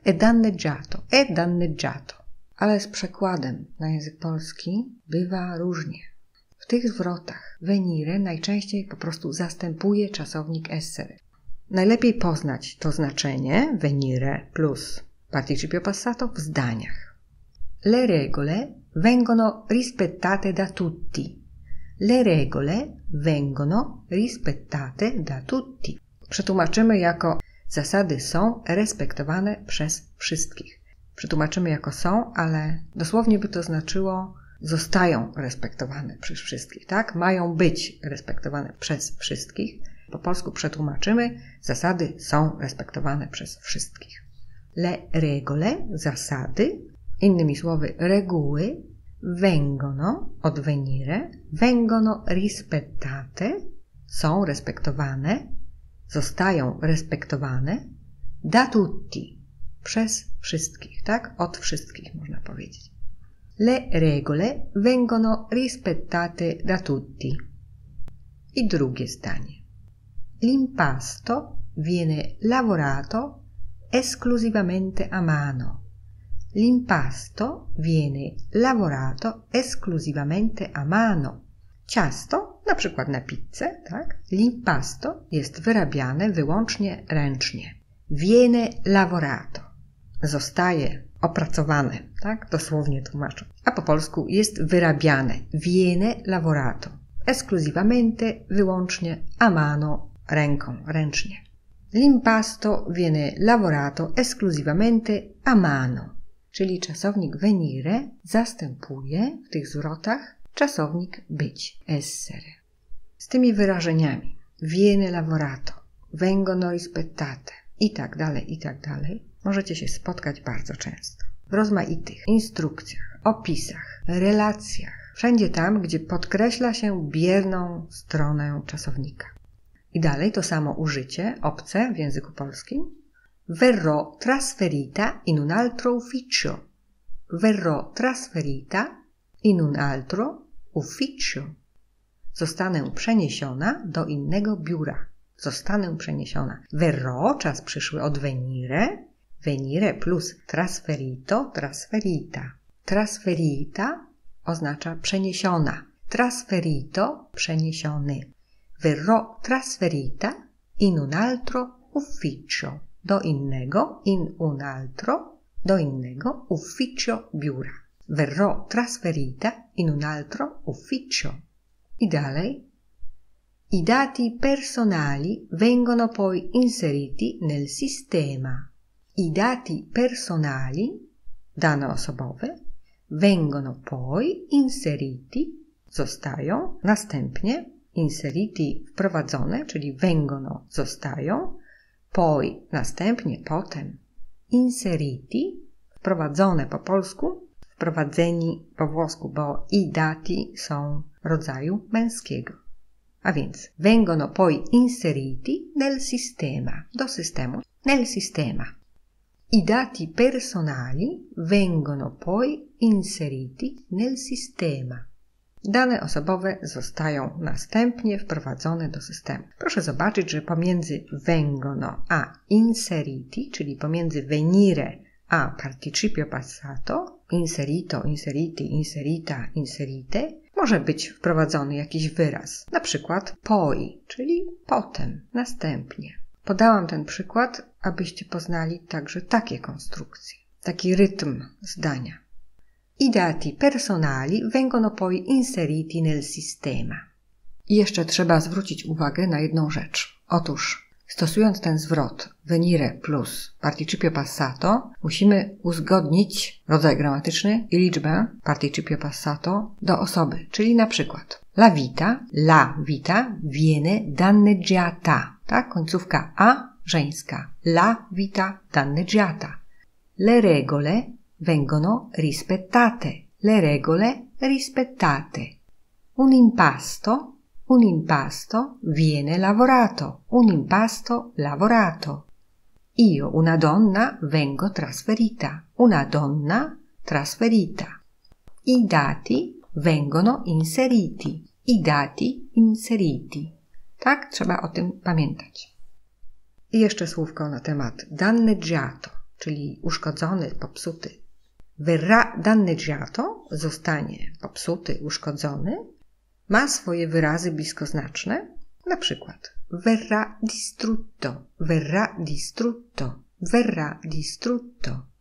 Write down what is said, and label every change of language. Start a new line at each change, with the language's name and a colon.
Italian: E danneggiato. E danneggiato.
Polish: Ale z przekładem na język polski bywa różnie. W tych zwrotach venire najczęściej po prostu zastępuje czasownik essere. Najlepiej poznać to znaczenie venire plus participio passato w zdaniach.
Italian: Le regole vengono rispettate da tutti. Le regole vengono rispettate da tutti.
Polish: Przetłumaczymy jako zasady są respektowane przez wszystkich. Przetłumaczymy jako są, ale dosłownie by to znaczyło zostają respektowane przez wszystkich, tak? Mają być respektowane przez wszystkich. po polsku przetłumaczymy, zasady są respektowane przez wszystkich.
Italian: Le regole,
Polish: zasady, innymi słowy reguły, vengono, od venire,
Italian: vengono rispettate,
Polish: są respektowane, zostają respektowane,
Italian: da tutti,
Polish: przez wszystkich, tak? Od wszystkich można powiedzieć.
Italian: Le regole vengono rispettate da tutti.
Polish: I drugie zdanie.
Italian: L'impasto viene lavorato esclusivamente a mano. L'impasto viene lavorato esclusivamente a mano.
Polish: Ciasto, na przykład na pizzę, tak?
Italian: L'impasto
Polish: jest wyrabiane wyłącznie ręcznie.
Italian: Viene lavorato.
Polish: Zostaje opracowane, tak? Dosłownie tłumaczę. A po polsku jest wyrabiane.
Italian: Viene lavorato. Esclusivamente,
Polish: wyłącznie,
Italian: a mano,
Polish: ręką, ręcznie.
Italian: L'impasto viene lavorato esclusivamente a mano.
Polish: Czyli czasownik venire zastępuje w tych zwrotach czasownik być, essere. Z tymi wyrażeniami.
Italian: Viene lavorato. Vengono rispettate.
Polish: I tak dalej, możecie się spotkać bardzo często. W rozmaitych instrukcjach, opisach, relacjach, wszędzie tam, gdzie podkreśla się bierną stronę czasownika. I dalej to samo użycie, obce w języku polskim.
Italian: Verrò trasferita in un altro ufficio. Verrò trasferita in un altro ufficio.
Polish: Zostanę przeniesiona do innego biura. Zostanę przeniesiona. Verrò, czas przyszły od venire.
Italian: Venire
Polish: plus
Italian: trasferito, trasferita.
Polish: Trasferita oznacza przeniesiona. Trasferito, przeniesiony.
Italian: Verrò trasferita in un altro ufficio.
Polish: Do innego,
Italian: in un altro,
Polish: do innego ufficio, biura.
Italian: Verrò trasferita in un altro ufficio.
Polish: I dalej.
Italian: I dati personali vengono poi inseriti nel sistema. I dati personali,
Polish: dane osobowe,
Italian: vengono poi inseriti,
Polish: zostają, następnie inseriti wprowadzone, czyli vengono, zostają, poi, następnie, potem, inseriti, wprowadzone po polsku, wprowadzeni po włosku, bo i dati są rodzaju męskiego. A więc,
Italian: vengono poi inseriti nel sistema,
Polish: do systemu,
Italian: nel sistema. I dati personali vengono poi inseriti nel sistema.
Polish: Dane osobowe zostają następnie wprowadzone do systemu. Proszę zobaczyć, że
Italian: pomiędzy vengono a inseriti, czyli pomiędzy venire a participio passato,
Polish: inserito, inseriti, inserita, inserite, może być wprowadzony jakiś wyraz, na przykład poi, czyli potem, następnie. Podałam ten przykład, abyście poznali także takie konstrukcje, taki rytm zdania. I dati personali vengono poi inseriti nel sistema. I jeszcze trzeba zwrócić uwagę na jedną rzecz. Otóż, stosując ten zwrot
Italian: venire plus participio passato,
Polish: musimy uzgodnić rodzaj gramatyczny i liczbę participio passato do osoby. Czyli na przykład
Italian: la vita viene danneggiata.
Polish: Tak? Końcówka a, żeńska.
Italian: La vita danneggiata. Le regole vengono rispettate. Le regole rispettate. Un impasto viene lavorato. Un impasto lavorato. Io, una donna, vengo trasferita. Una donna trasferita. I dati vengono inseriti. I dati inseriti.
Polish: Tak? Trzeba o tym pamiętać. I jeszcze słówko na temat danneggiato, czyli uszkodzony, popsuty.
Italian: Verrà danneggiato,
Polish: zostanie popsuty, uszkodzony, ma swoje wyrazy bliskoznaczne, na przykład
Italian: verrà distrutto, verrà distrutto, verrà distrutto.